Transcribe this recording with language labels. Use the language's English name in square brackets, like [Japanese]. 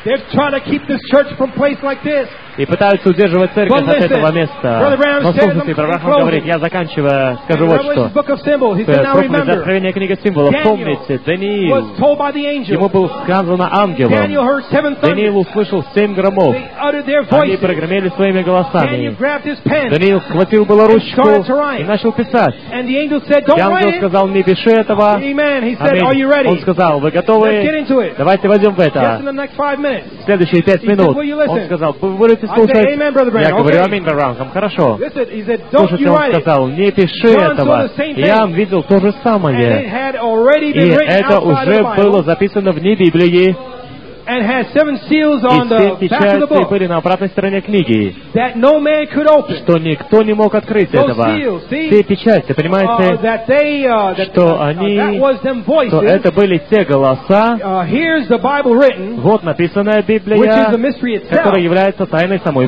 [English] They're trying to keep this church from place like this. [Russian] И пытаются удерживать церковь от этого места. Но слушайте, Брабрахам говорит, я заканчиваю, скажу вот что. Проповедь Откровения книги символов. Помните, Даниил, ему было сказано ангелом. Даниил услышал семь громов. Они прогремели своими голосами. Даниил схватил было ручку и начал писать. И ангел сказал, не пиши этого. Аминь. Он сказал, вы готовы? Давайте войдем в это. В следующие пять минут. Он сказал, вы будете слушать. Я говорю, аминь, Брабрахам. Хорошо. Слушайте, он сказал, не пиши этого. Я видел то же самое. И это уже было записано вне Библии. [English] And has seven seals on the back of the book. [Russian] Были на обратной стороне книги, [English] that no man could open. [Russian] Что никто не мог открыть этого. Все печати, понимаете, что это были те голоса. [English] Here's the Bible written, [Russian] вот написанная Библия, [English] which is the mystery itself, [Russian] которая является тайной самой